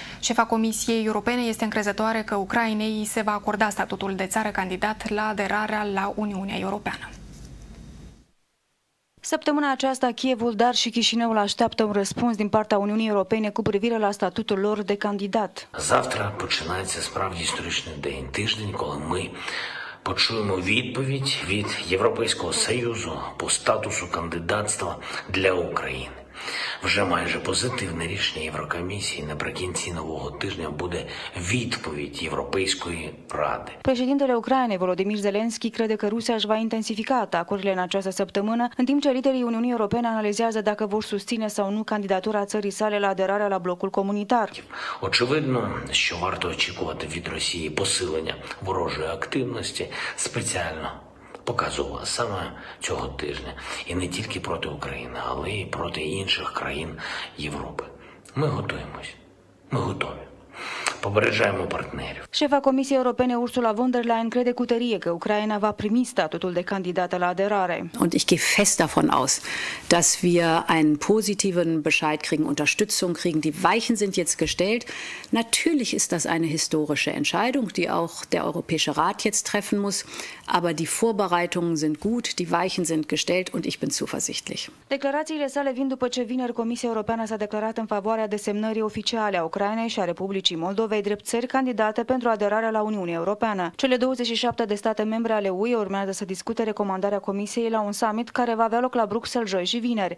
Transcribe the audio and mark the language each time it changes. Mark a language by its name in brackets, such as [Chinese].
[Romanian] Șefa Comisiei Europene este încrezătoare că Ucrainei se va acorda statutul de țară candidat la aderarea la Uniunea Europeană. Săptămâna aceasta, Kievul, dar și Chișinăul așteaptă un răspuns din partea Uniunii Europene cu privire la statutul lor de candidat. [Ukrainian] Завтра починається справді історичний день, тиждень, коли ми почуємо відповідь від Європейського Союзу по статусу кандидатства для України. Вже майже позитивне рішення Єврокомісії. Наприкінці нового тижня буде відповідь Європейської Ради. [Romanian] Președintele Ucrainei Volodymyr Zelensky crede că Rusia își va intensifica atacurile în această săptămână, în timp ce liderii Uniunii Europene analizează dacă vor susține sau nu candidatura țării sale la aderarea la blocul comunitar. [Ukrainian] Очевидно, що варто очікувати від Росії посилення ворожої активності спеціально показувала саме цього тижня. І не тільки проти України, але й проти інших країн Європи. Ми готуємось. Ми готові. [Romanian] încurajăm partenerii. Șefa Comisiei Europene Ursula von der Leyen crede cu tărie că Ucraina va primi statutul de candidată la aderare. [German] Und ich gehe fest davon aus, dass wir einen positiven Bescheid kriegen, Unterstützung kriegen. Die Weichen sind jetzt gestellt. Natürlich ist das eine historische Entscheidung, die auch der Europäische Rat jetzt treffen muss, aber die Vorbereitungen sind gut, die Weichen sind gestellt und ich bin zuversichtlich. [Romanian] Declarațiile sale vin după ce vineri Comisia Europeană s-a declarat în favoarea desemnării oficiale a Ucrainei și a Republicii Moldovei drept țări candidate pentru aderarea la Uniunea Europeană. Cele 27 de state membre ale UE urmează să discute recomandarea Comisiei la un summit care va avea loc la Bruxelles joi și vineri.